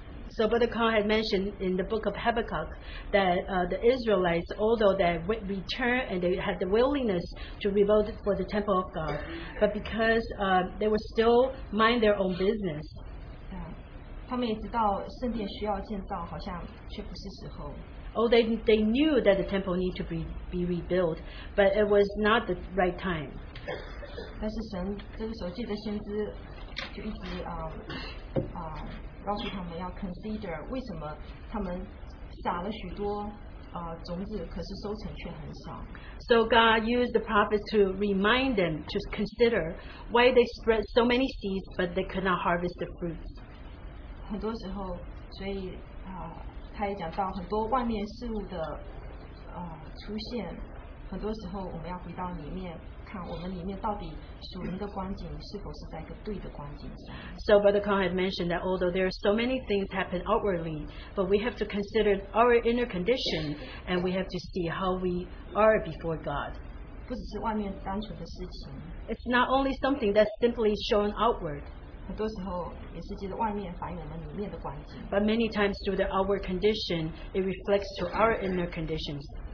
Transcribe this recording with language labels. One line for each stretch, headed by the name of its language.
English: So Brother Khan had mentioned in the book of Habakkuk that the Israelites, although they returned and they had the willingness to revolt for the temple of God, but because they were still mind their own business.
Chinese: 他们也知道圣殿需要建造，好像却不是时候。
English: Oh, they knew that the temple needed to be rebuilt, but it was not the right time.
Chinese: 但是神这个时候借着先知就一直告诉他们要 consider 为什么他们撒了许多种子，可是收成却很少。
English: So God used the prophets to remind them to consider why they spread so many seeds, but they could not harvest the fruits.
Chinese: 很多时候，所以他也讲到很多外面事物的出现，很多时候我们要回到里面。
English: So Brother Khan had mentioned that although there are so many things happen outwardly, but we have to consider our inner condition and we have to see how we are before God. It's not only something that's simply shown outward, but many times through the outward condition, it reflects to our inner conditions.